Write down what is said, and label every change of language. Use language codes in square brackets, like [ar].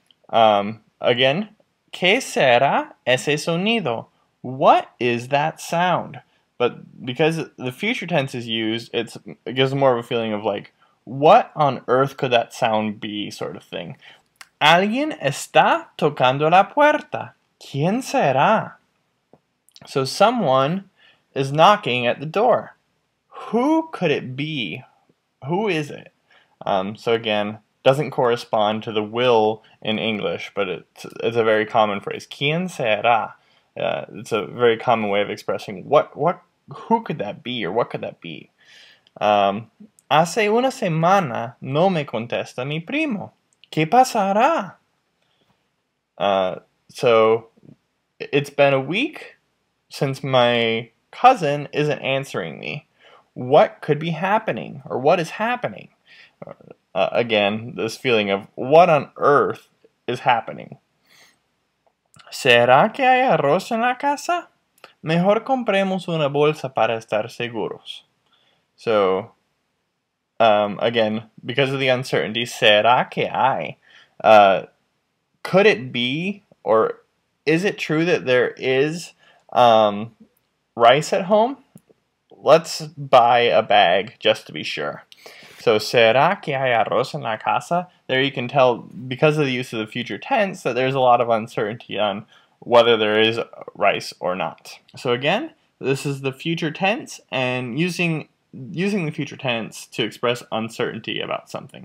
[es] Again, ¿qué será ese sonido? [en] What is that sound? But because the future tense is used, it gives more of a feeling of like, what on earth could that sound be sort of thing. [es] Alguien está tocando la puerta. ¿Quién será? [en] So someone is knocking at the door. Who could it be? Who is it? So again, doesn't correspond to the will in English, but it's a very common phrase. [es] ¿Quién será? [en] It's a very common way of expressing what who could that be or what could that be? [es] Hace una semana no me contesta mi primo. ¿Qué pasará? [en] So it's been a week since my cousin isn't answering me. What could be happening or what is happening? Again, this feeling of what on earth is happening. [es] ¿Será que hay arroz en la casa? Mejor compremos una bolsa para estar seguros. [en] So, again, because of the uncertainty, [es] ¿será que hay? [en] Could it be, or is it true that there is rice at home? Let's buy a bag just to be sure. So, [es] ¿será que hay arroz en la casa? [en] There you can tell, because of the use of the future tense, that there's a lot of uncertainty on whether there is rice or not. So again, this is the future tense and using the future tense to express uncertainty about something.